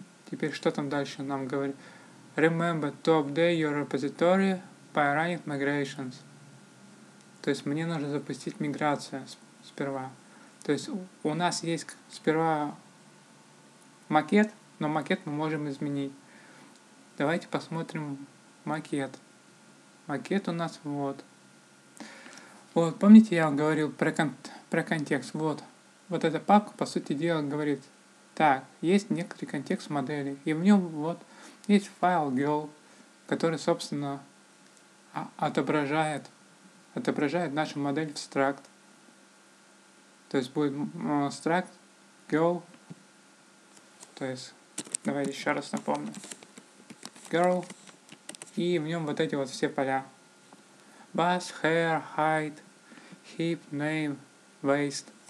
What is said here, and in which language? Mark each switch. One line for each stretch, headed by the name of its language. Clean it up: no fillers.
Russian: Теперь что там дальше нам говорит?
English: Remember to update your repository by running migrations.
Russian: То есть мне нужно запустить миграцию сперва. То есть у нас есть сперва макет, но макет мы можем изменить. Давайте посмотрим макет. Макет у нас вот. Вот, помните, я вам говорил про, про контекст? Вот. Вот эта папка, по сути дела, говорит, так, есть некоторый контекст модели, и в нем вот есть файл girl, который, собственно, отображает нашу модель в struct. То есть будет struct girl, то есть, давайте еще раз напомню, girl, и в нем вот эти вот все поля.
English: Bust, hair, height, hip, name, waist.